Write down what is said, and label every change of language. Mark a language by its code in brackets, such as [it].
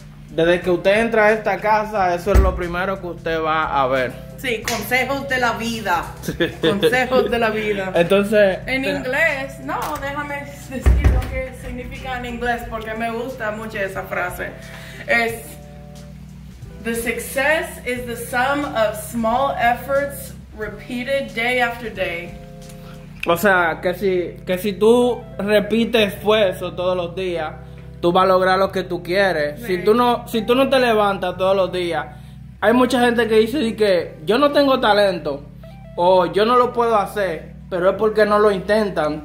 [es] Desde que usted entra a esta casa, eso es lo primero que usted va a ver. Sí, consejos de la vida. Sí. Consejos de la vida. Entonces, en inglés, no, déjame decir lo que significa en inglés porque me gusta mucho esa frase. [en] Es: the success is the sum of small efforts repeated day after day. [es] O sea, que si tú repites esfuerzo todos los días, tú vas a lograr lo que tú quieres. Sí. Si tú no te levantas todos los días, hay mucha gente que dice que yo no tengo talento o yo no lo puedo hacer, pero es porque no lo intentan.